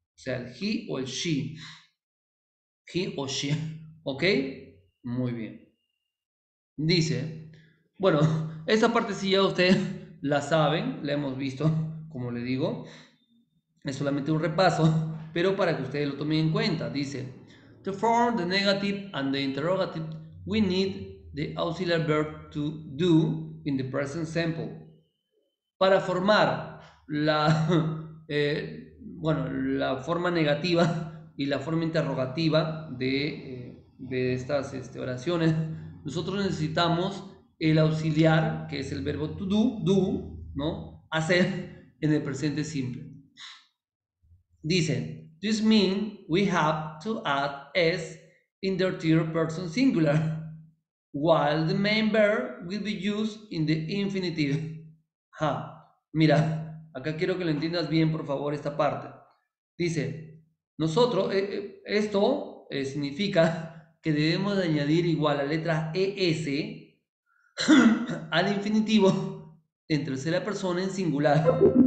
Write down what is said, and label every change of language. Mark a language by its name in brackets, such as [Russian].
[Spanish] O sea, el he o el she. He o she. ¿Ok? Muy bien. Dice, bueno, esa parte sí ya ustedes la saben, la hemos visto, como le digo, es solamente un repaso, pero para que ustedes lo tomen en cuenta. Dice, [English] to form the negative and the interrogative, we need the auxiliary verb to do in the present simple. [Spanish] Para formar bueno, la forma negativa y la forma interrogativa de estas oraciones, nosotros necesitamos el auxiliar, que es el verbo to do, ¿no? Hacer en el presente simple. Dice, [English] this means we have to add s in the third person singular, while the main verb will be used in the infinitive. [Spanish] Ja, mira, acá quiero que lo entiendas bien, por favor, esta parte. Dice, nosotros, esto significa que debemos de añadir igual la letra ES al infinitivo en tercera persona en singular.